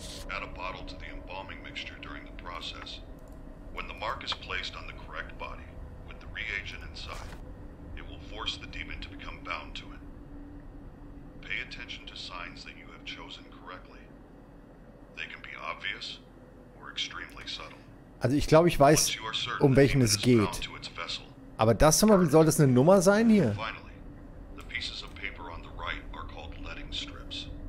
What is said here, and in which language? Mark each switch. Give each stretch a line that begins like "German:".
English: Add a bottle to the embalming mixture during the process. When the mark is placed on the correct body with the reagent inside, it will force the demon to become bound to it. Pay attention to signs that you have chosen correctly. They can be obvious or extremely subtle.
German: Also ich glaube, ich weiß, um welchen es geht. Aber das zum Beispiel, soll das eine Nummer sein hier?
English: Finally, the pieces of paper on the right are called letting strips.